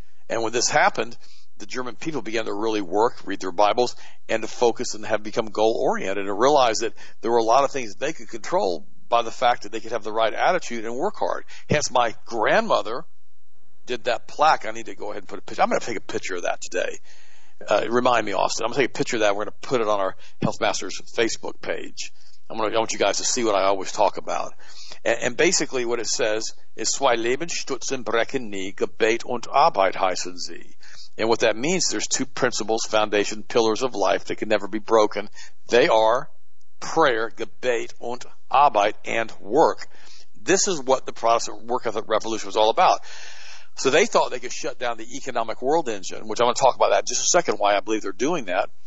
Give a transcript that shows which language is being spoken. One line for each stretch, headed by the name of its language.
English: And when this happened, the German people began to really work, read their Bibles, and to focus and have become goal-oriented and realize that there were a lot of things they could control by the fact that they could have the right attitude and work hard. Hence, my grandmother did that plaque. I need to go ahead and put a picture. I'm going to take a picture of that today. Remind me, Austin. I'm going to take a picture of that. We're going to put it on our Health Masters Facebook page. I want you guys to see what I always talk about. And basically what it says is,
German: Zwei Leben stützen, brechen nie, Gebet und Arbeit heißen sie.
English: And what that means, there's two principles, foundation, pillars of life that can never be broken. They are prayer,
German: Gebet und Arbeit,
English: and work. This is what the Protestant work ethic revolution was all about. So they thought they could shut down the economic world engine, which I'm going to talk about that in just a second, why I believe they're doing that.